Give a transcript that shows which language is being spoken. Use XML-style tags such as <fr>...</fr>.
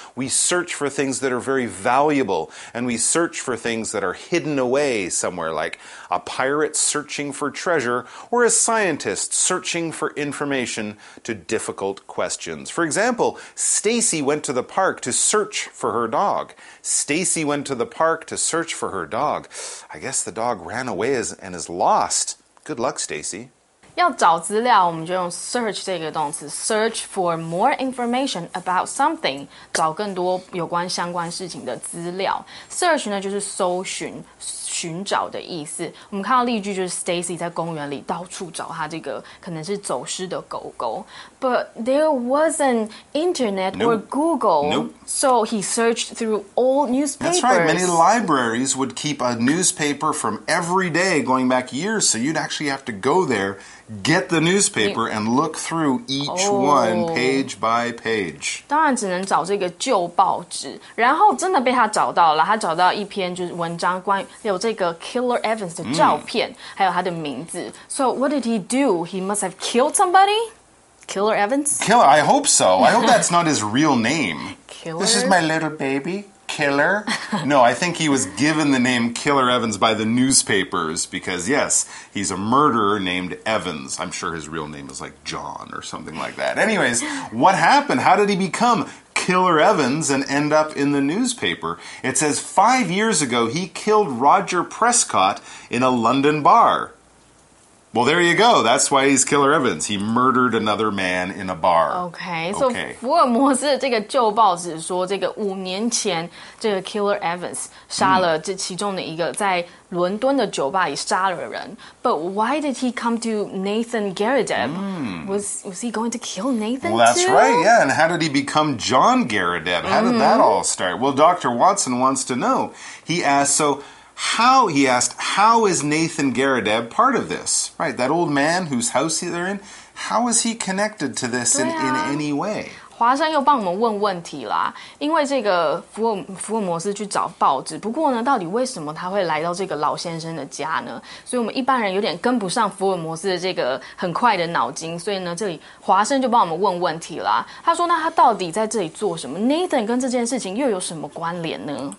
<en>We search for things that are very valuable, and we search for things that are hidden away somewhere, like a pirate searching for treasure or a scientist searching for information to difficult questions. For example, Stacy went to the park to search for her dog. Stacy went to the park to search for her dog. I guess the dog ran away and is lost. Good luck, Stacy.</en> <zh>要找资料，我们就用 search 这个动词 ，</zh> <en>search for more information about something，</en> <zh>找更多有关相关事情的资料。 search 呢就是搜寻、寻找的意思。我们看到例句就是 Stacy 在公园里到处找她这个可能是走失的狗狗。</zh> <en>But there wasn't internet or Google, so he searched through all newspapers. That's right. Many libraries would keep a newspaper from every day going back years, so you'd actually have to go there. Get the newspaper and look through each one page by page.</en> <zh>当然只能找这个旧报纸，然后真的被他找到了。他找到一篇就是文章关于有这个 Killer Evans 的照片，还有他的名字。</zh> <en>So what did he do? He must have killed somebody? Killer Evans? Killer, I hope so. I hope that's not his real name. Killer? This is my little baby. Killer? No, I think he was given the name Killer Evans by the newspapers because, yes, he's a murderer named Evans. I'm sure his real name is like John or something like that. Anyways, what happened? How did he become Killer Evans and end up in the newspaper? It says 5 years ago, he killed Roger Prescott in a London bar. Well, there you go. That's why he's Killer Evans. He murdered another man in a bar. Okay. So, okay.</en> <zh>福尔摩斯的这个旧报纸说，这个五年前，这个 Killer Evans 杀了这其中的一个在伦敦的酒吧里杀了人。</zh> <en>But why did he come to Nathan Garadeb? Was he going to kill Nathan well, that's too? That's right, yeah. And how did he become John Garadeb? How did that all start? Well, Dr. Watson wants to know. He asks, how is Nathan Garadeb part of this? Right, that old man whose house they're in, how is he connected to this in any way?</en> <zh>华山又帮我们问问题啦，因为这个福尔摩斯去找报纸，不过呢，到底为什么他会来到这个老先生的家呢？所以我们一般人有点跟不上福尔摩斯的这个很快的脑筋，所以呢，这里华山就帮我们问问题啦。他说，那他到底在这里做什么 ？Nathan 跟这件事情又有什么关联呢</zh>